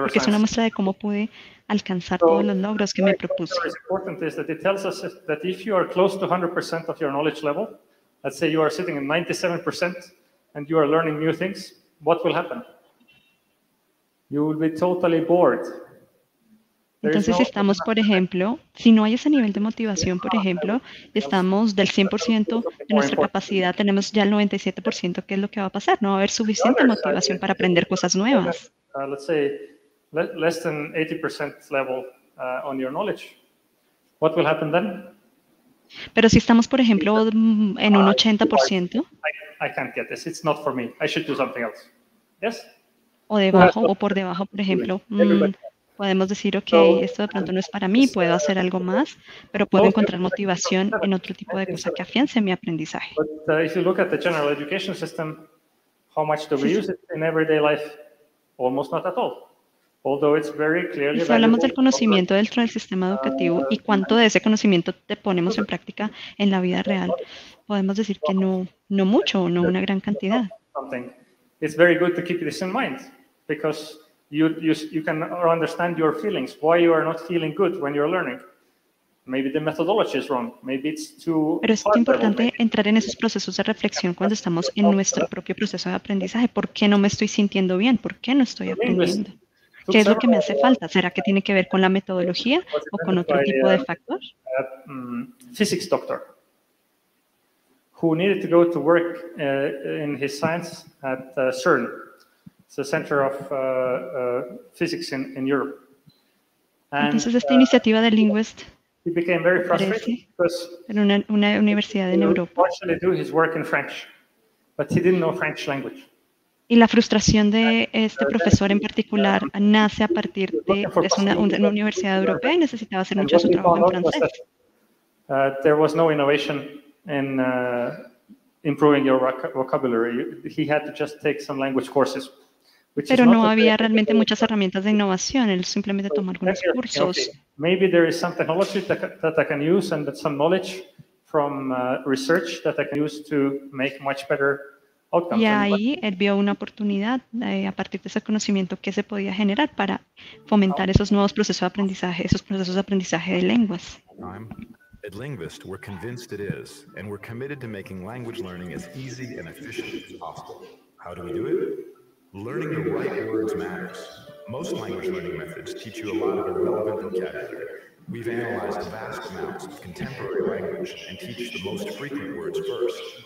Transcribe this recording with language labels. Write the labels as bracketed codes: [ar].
[es] Porque es una muestra de cómo pude alcanzar todos los logros que me propuse. [en] What is important is that it tells us that if you are close to 100% of your knowledge level, let's say you are sitting in 97% and you are learning new things, what will happen? You will be totally bored. [es] Entonces, estamos, por ejemplo, si no hay ese nivel de motivación, por ejemplo, estamos del 100% de nuestra capacidad, tenemos ya el 97%, ¿qué es lo que va a pasar? No va a haber suficiente motivación para aprender cosas nuevas. [en] Let's say less than 80% level on your knowledge. What will happen then? [es] Pero si estamos, por ejemplo, en un 80%. [en] I can't get this. It's not for me. I should do something else. Yes? [es] O debajo, o por debajo, por ejemplo. Podemos decir, ok, esto de pronto no es para mí, puedo hacer algo más, pero puedo encontrar motivación en otro tipo de cosa que afiance mi aprendizaje. [en] If you look at the general education system, how much do we use it in everyday life? Almost not at all. Although it's very clearly. [es] Si hablamos del conocimiento dentro del sistema educativo y cuánto de ese conocimiento te ponemos en práctica en la vida real, podemos decir que no mucho o no una gran cantidad. [en] It's very good to keep this in mind because you can understand your feelings, why you are not feeling good when you're learning. Maybe the methodology is wrong. Maybe it's too. [es] Pero es importante entrar en esos procesos de reflexión cuando estamos en nuestro propio proceso de aprendizaje. ¿Por qué no me estoy sintiendo bien? ¿Por qué no estoy aprendiendo? ¿Qué es lo que me hace falta? ¿Será que tiene que ver con la metodología o con otro tipo de factor? [en] Physics doctor who needed to go to work in his science at CERN. It's the center of physics in Europe. [es] And, entonces esta iniciativa del linguist. [en] He became very frustrated because [es] en una universidad en Europa. [en] He wanted to do his work in French, but he didn't know French language. [es] Y la frustración de este profesor en particular nace a partir de es una universidad europea y necesitaba hacer mucho su trabajo en francés. [en] There was no innovation in improving your vocabulary. He had to just take some language courses. [es] Pero no había realmente muchas herramientas de innovación, él simplemente tomó algunos cursos. [en] Maybe there is some technology that I can use and that some knowledge from research that I can use to make much better outcomes. [es] Y ahí él vio una oportunidad a partir de ese conocimiento que se podía generar para fomentar esos nuevos procesos de aprendizaje, esos procesos de aprendizaje de lenguas. [en] At Linguist, we're convinced it is, and we're committed to making language learning as easy and efficient as possible. How do we do it? Learning the right words matters. Most language learning methods teach you a lot of irrelevant vocabulary. We've analyzed vast amounts of contemporary language and teach the most frequent words first.